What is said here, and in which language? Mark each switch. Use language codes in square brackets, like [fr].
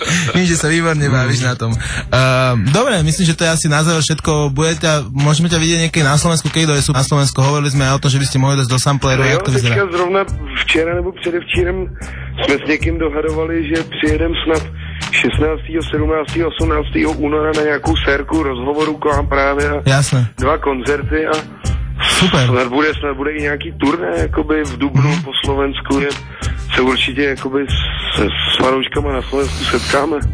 [sk] Vidím, že sa výborne bavíš na tom. Dobre, myslím, že to je asi na záver všetko. Môžeme ťa vidieť niekedy na Slovensku, keď dojesú na Slovensku. Hovorili sme aj o tom, že by ste mohli dojsť do sampleru. [cs] No jo, [sk] to vyzerá? [cs] Zrovna včera nebo předevčírem sme s niekým dohadovali, že přijedem snad 16., 17., 18. února na nějakou sérku rozhovorů k vám právě a [sk] jasné. [cs] Dva koncerty a super. Snad bude i nějaký turné jakoby v Dubnu po Slovensku, kde se určitě jakoby s fanouškama na Slovensku setkáme.